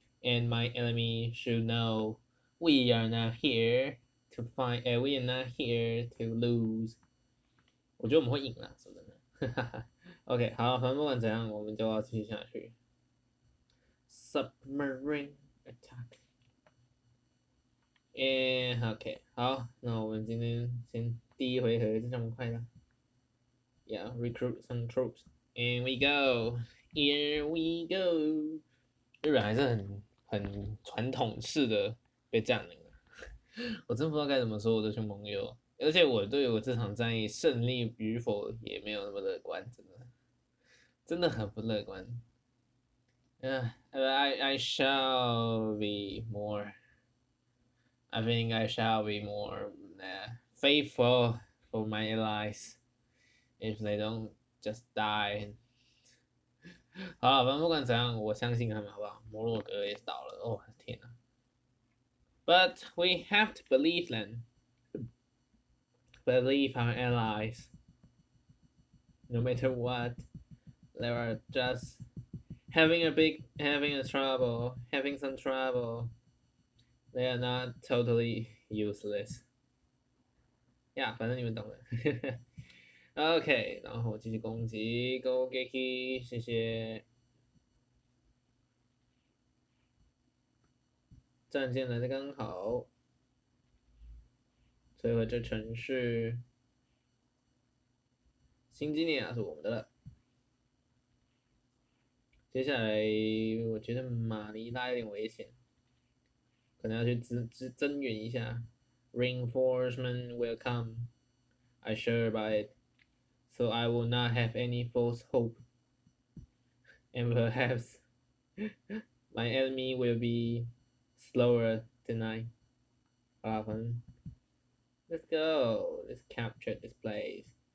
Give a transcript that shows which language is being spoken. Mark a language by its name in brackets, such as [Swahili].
[English] And my enemy should know we are not here to fight and we are not here to lose。 [Chinese] 我觉得我们会赢啦，说真的。OK，好，反正不管怎样，我们就要继续下去。 [English] Submarine attack。 [Chinese] OK，好，那我们今天先第一回合就这么快了。 [English] Yeah，recruit some troops。 And we go。 Here we go。 [Chinese] 日本还是很传统式的被占领了，我真不知道该怎么说我这些盟友，而且我对我这场战役胜利与否也没有那么乐观，真的很不乐观。 [English] I shall be more. I think I shall be more faithful for my allies if they don't just die. [Chinese] 好了，反正不管怎样，我相信他们，好不好？摩洛哥也倒了，哦，天哪！ [English] But we have to believe them, believe our allies. No matter what, they are just having a trouble, having some trouble. They are not totally useless. Yeah， [Chinese] 反正你们懂的。 OK，然后我继续攻击，Go Geki，谢谢。战舰来的刚好，摧毁这城市。新几内亚是我们的了。接下来我觉得马尼拉有点危险，可能要去增援一下。 [English] Reinforcement will come, I sure by it. So I will not have any false hope, and perhaps my enemy will be slower tonight. [Chinese] 好啦，反正 [English] Let's go, let's capture this place.